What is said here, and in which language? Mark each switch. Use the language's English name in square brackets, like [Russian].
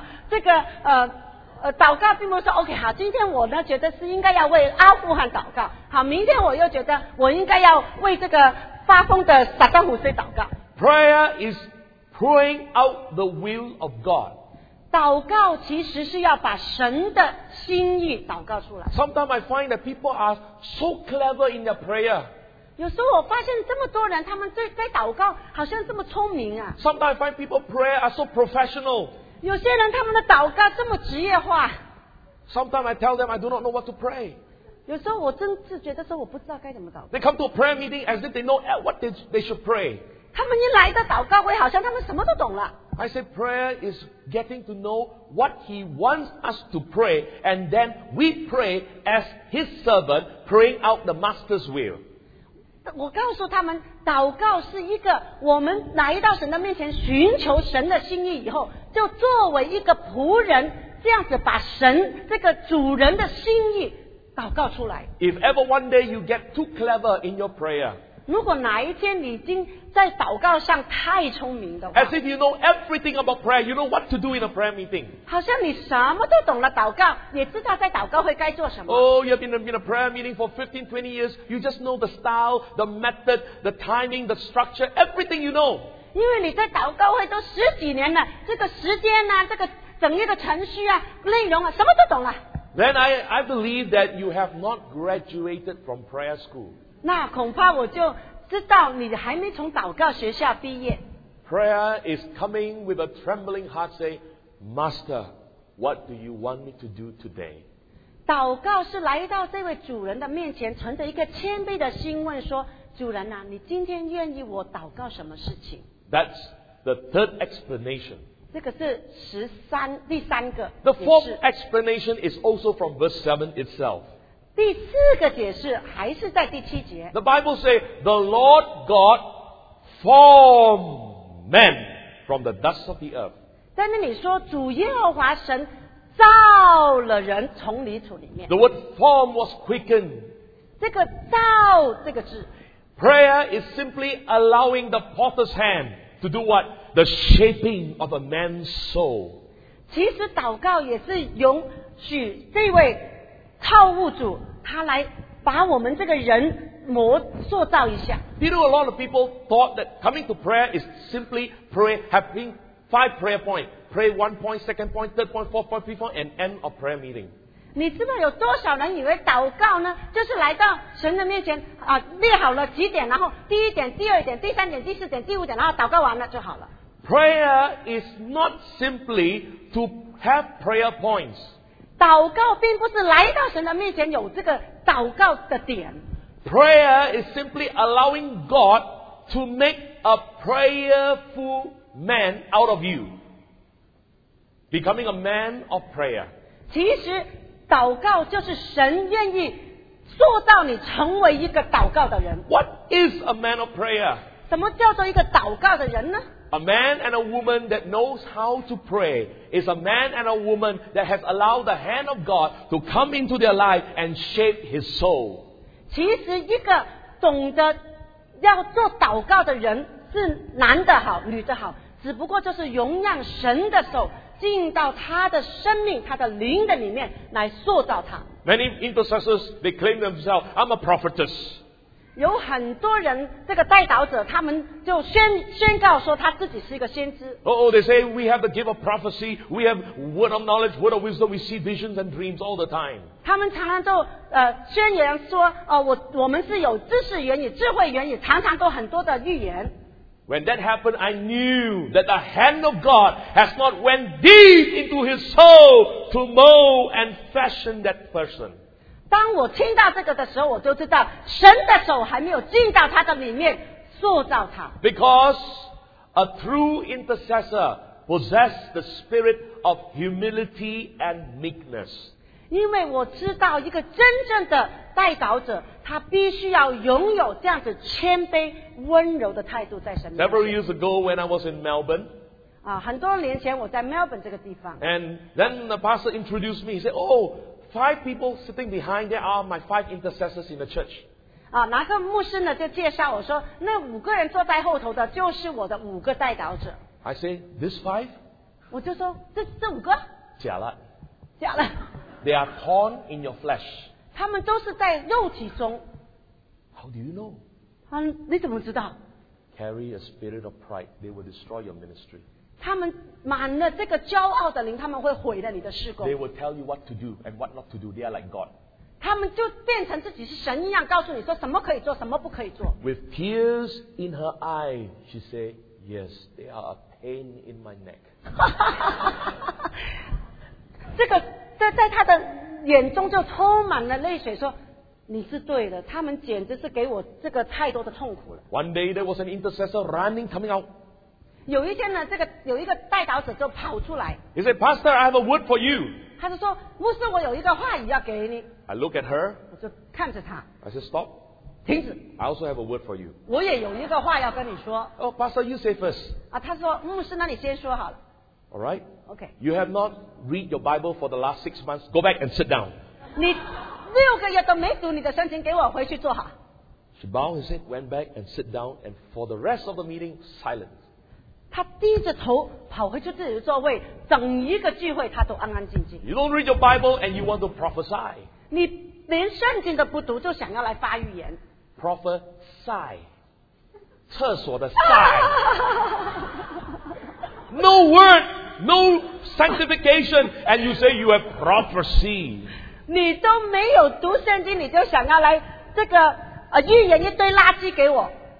[Chinese] 这个祷告并不是说 OK 好，今天我呢觉得是应该要为阿富汗祷告，好，明天我又觉得我应该要为这个发疯的萨达姆斯祷告。 [English] Prayer is praying out the will of God. [Chinese] 祷告其实是要把神的心意祷告出来。 [English] Sometimes I find that people are so clever in their prayer. [Chinese] 有时候我发现这么多人他们在祷告好像这么聪明啊。 [English] Sometimes I find people prayer are so professional. [Chinese] 有些人他们的祷告这么职业化。 [English] Sometimes I tell them I do not know what to pray. [Chinese] 有时候我真是觉得说我不知道该怎么祷告。 [English] They come to a prayer meeting as if they know what they should pray. [Chinese] 他们一来到祷告会好像他们什么都懂了。 [English] I say prayer is getting to know what he wants us to pray and then we pray as his servant praying out the master's will. [Chinese] 我告诉他们祷告是一个我们来到神的面前寻求神的心意以后就作为一个仆人这样子把神这个主人的心意祷告出来。 [English] If ever one day you get too clever in your prayer, [Chinese] 如果哪一天你已经在祷告上太聪明的话 [English] As if you know everything about prayer, you know what to do in a prayer meeting. [Chinese] 好像你什么都懂了祷告也知道在祷告会该做什么。 [English] Oh, you've been in a prayer meeting for 15, 20 years, you just know the style, the method, the timing, the structure, everything you know. [Chinese] 因为你在祷告会都十几年了这个时间啊这个整个的程序啊内容啊什么都懂了。 [English] Then I believe that you have not graduated from prayer school. [Chinese] 那恐怕我就知道你还没从祷告学校毕业。 [English] Prayer is coming with a trembling heart say, Master, what do you want me to do today? [Chinese] 祷告是来到这位主人的面前存着一个谦卑的心问说主人啊你今天愿意我祷告什么事情。 [English] That's the third explanation. [Chinese] 这个是第三个解释。 [English] The fourth explanation is also from verse 7 itself. [Chinese] 第四个解释还是在第七节。 [English] The Bible says, The Lord God formed man from the dust of the earth. [Chinese] 在那里说主耶和华神造了人从泥土里面。 [English] The word form was quickened. [Chinese] 这个造这个字。 [English] Prayer is simply allowing the potter's hand to do what? The shaping of a man's soul. [Chinese] 其实祷告也是允许这位造物主他来把我们这个人模塑造一下。 [English] You know a lot of people thought that coming to prayer is simply pray having five prayer points. Pray one point, second point, third point, fourth point, fifth point and end of prayer meeting. [Chinese] 你知道有多少人以为祷告呢就是来到神的面前啊，列好了几点然后第一点第二点第三点第四点第五点然后祷告完了就好了。 [English] Prayer is not simply to have prayer points. [Chinese] 祷告并不是来到神的面前有这个祷告的点。 [English] Prayer is simply allowing God to make a prayerful man out of you. becoming a man of prayer. [Chinese] 其实祷告就是神愿意做到你成为一个祷告的人。 [English] What is a man of prayer? [Chinese] 什么叫做一个祷告的人呢？ [English] A man and a woman that knows how to pray is a man and a woman that has allowed the hand of God to come into their life and shape his soul. [Chinese] 其实一个懂得要做祷告的人是男的好女的好只不过就是容让神的手进到他的生命他的灵的里面来塑造他。 [English] Many intercessors, they claim themselves, I'm a prophetess. [Chinese] 有很多人这个代祷者他们就 宣告说他自己是一个先知 [English] Oh, they say we have the gift of prophecy we have word of knowledge word of wisdom we see visions and dreams all the time [Chinese] 他们常常就、宣言说、我们是有知识言语智慧言语常常都很多的预言 [English] When that happened I knew that the hand of God has not went deep into his soul to mold and fashion that person [Chinese] 当我听到这个的时候我就知道神的手还没有进到他的里面塑造他 [English] Because a true intercessor possesses the spirit of humility and meekness [Chinese] 因为我知道一个真正的代祷者他必须要拥有这样子谦卑温柔的态度在神面前 [English] Several years ago when I was in Melbourne [Chinese] 很多年前我在 Melbourne 这个地方 [English] And then the pastor introduced me He said, ohFive people sitting behind there are my five intercessors in the church. [Chinese] 那个牧师呢就介绍我说，那五个人坐在后头的就是我的五个代祷者。 [English] I say, this five? [Chinese] 我就说，这五个？假了。假了。 [English] They are torn in your flesh. [Chinese] 他们都是在肉体中。 [English] How do you know? [Chinese] 你怎么知道？ [English] Carry a spirit of pride, they will destroy your ministry. [Chinese] 他们满了这个骄傲的灵他们会毁了你的事工 [English] They will tell you what to do and what not to do They are like God [Chinese] 他们就变成自己是神一样告诉你说什么可以做什么不可以做 [English] With tears in her eye She said Yes They are a pain in my neck [Chinese] 这个 在他的眼中就充满了泪水说你是对的他们简直是给我这个太多的痛苦了 [English] One day there was an intercessor running coming out [Chinese] 有一天呢，这个有一个代祷者就跑出来。 [English] He said, "Pastor, I have a word for you." [Chinese] 他就说，牧师，我有一个话语要给你。 [English] I look at her. [Chinese] 我就看着他。 [English] I said, "Stop." [Chinese] 停止。 [English] I also have a word for you. [Chinese] 我也有一个话要跟你说。 [English] Oh, Pastor, you say first. [Chinese] 他说，牧师，那你先说好了。 [English] All right. Okay. You have not read your Bible for the last 6 months. Go back and sit down. [Chinese] 你六个月都没读你的圣经，给我回去坐好。 [English] She bowed his head, went back and sit down, and for the rest of the meeting, silence. [Chinese] 他低着头跑回去自己的座位，整一个聚会他都安安静静。 [English] You don't read your Bible and you want to prophesy. [Chinese] 你连圣经都不读，就想要来发预言。 [English] Prophesy， [Chinese] 厕所的 [English] sigh。 No word, no sanctification, and you say you have prophecy. [Chinese] 你都没有读圣经，你就想要来这个预言一堆垃圾给我。